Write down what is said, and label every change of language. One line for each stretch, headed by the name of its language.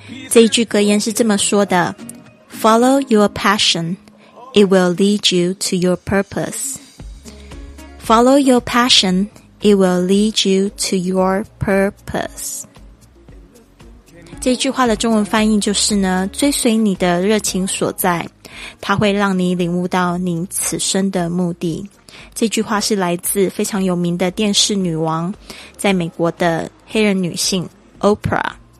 Chinese: 这一句格言是这么说的 ：
English: Follow your passion。 It will lead you to your purpose. Follow your passion. It will lead you to your purpose.
Chinese: 这句话的中文翻译就是呢，追随你的热情所在，它会让你领悟到你此生的目的。这句话是来自非常有名的电视女王，在美国的黑人女性 Oprah。